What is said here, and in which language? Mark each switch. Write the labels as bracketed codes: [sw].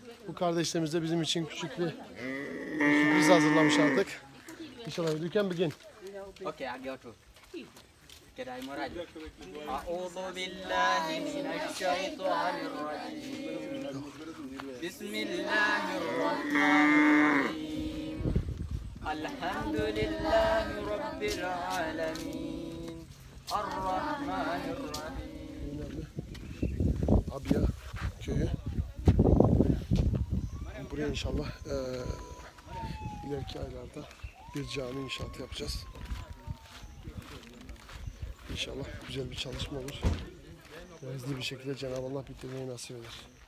[tr] Bu kardeşlerimiz de bizim için küçük bir sürpriz hazırlamış artık. [en] İnşallah. You can begin. Okay, I got you. [ar] أعوذ بالله من الشيطان الرجيم بسم الله الرحيم الحمد لله رب العالمين الرحمن الرحيم أبيا كي بري إن شاء الله [tr] ileriki aylarda bir cami inşaatı yapacağız. İnşallah güzel bir çalışma olur. Hızlı bir şekilde Cenab-ı Allah bitirmeyi nasip eder.